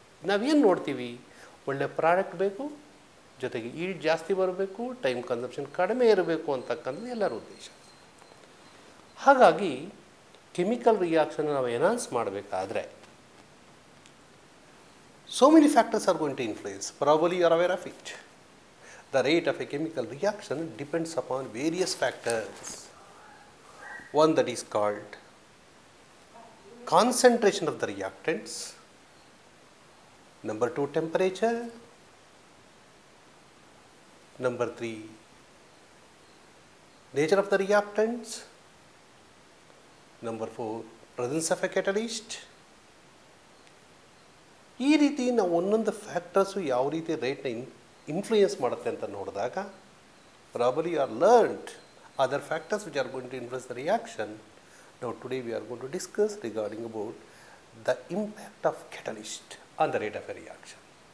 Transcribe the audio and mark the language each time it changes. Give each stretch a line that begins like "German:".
Kannada: ನಾವೇನು ನೋಡ್ತೀವಿ, ಒಳ್ಳೆ ಪ್ರಾಡಕ್ಟ್ ಬೇಕು, ಜೊತೆಗೆ ಈಲ್ಡ್ ಜಾಸ್ತಿ ಬರಬೇಕು, ಟೈಮ್ ಕನ್ಸಂಪ್ಷನ್ ಕಡಿಮೆ ಇರಬೇಕು ಅಂತಕ್ಕಂಥದ್ದು ಎಲ್ಲರ ಉದ್ದೇಶ. ಹಾಗಾಗಿ ಕೆಮಿಕಲ್ ರಿಯಾಕ್ಷನ್ ನಾವು ಎನ್ಹಾನ್ಸ್ ಮಾಡಬೇಕಾದ್ರೆ
English: So many factors are going to influence. Probably you are aware of it. The rate of a chemical reaction depends upon various factors. One that is called concentration of the reactants. Number two, temperature. Number three, nature of the reactants. Number four, presence of a catalyst.
Kannada: ಈ ರೀತಿ ನಾವು ಒಂದೊಂದು factors ಯಾವ ರೀತಿ ರೇಟ್ನ influence ಮಾಡುತ್ತೆ ಅಂತ ನೋಡಿದಾಗ
English: Probably you are learned other factors which are going to influence the reaction. Now today we are going to discuss regarding about the impact of catalyst on the rate of a reaction.